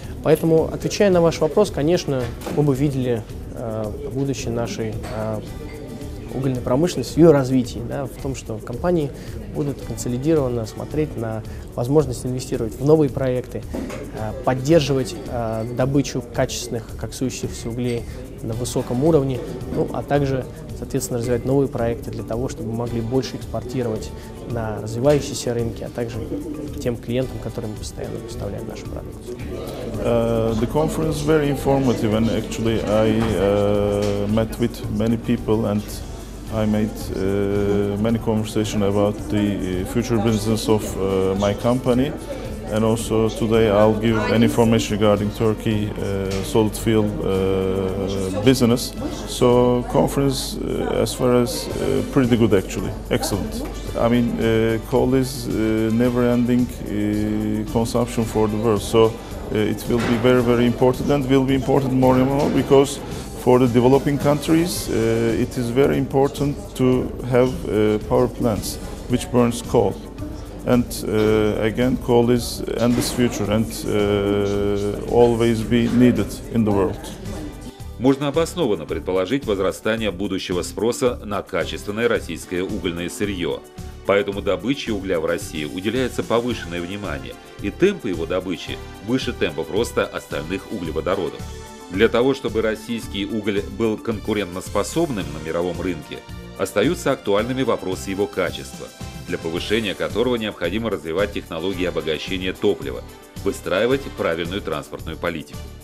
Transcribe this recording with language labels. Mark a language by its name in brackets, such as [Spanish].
[Russian] Поэтому, отвечая на ваш вопрос, конечно, мы бы видели будущее нашей угольной промышленности, ее развитие, да, в том, что компании будут консолидированно смотреть на возможность инвестировать в новые проекты, поддерживать добычу качественных коксующихся углей на высоком уровне, ну, а также, соответственно, развивать новые проекты для того, чтобы могли больше экспортировать на развивающиеся рынки, а также тем клиентам, которым мы постоянно поставляем наши продукты. [English] The conference very informative, and actually I met with many people, and I made many conversations about the future business of my company. And also today I'll give an information regarding Turkey solid fuel business. So conference as far as pretty good actually, excellent. I mean coal is never-ending consumption for the world. So it will be very, very important and will be important more and more because for the developing countries, it is very important to have power plants which burns coal. And again, coal is endless future and always be needed in the world. [Russian] Можно обоснованно предположить возрастание будущего спроса на качественное российское угольное сырье. Поэтому добыче угля в России уделяется повышенное внимание, и темпы его добычи выше темпов роста остальных углеводородов. Для того, чтобы российский уголь был конкурентоспособным на мировом рынке, остаются актуальными вопросы его качества, для повышения которого необходимо развивать технологии обогащения топлива, выстраивать правильную транспортную политику.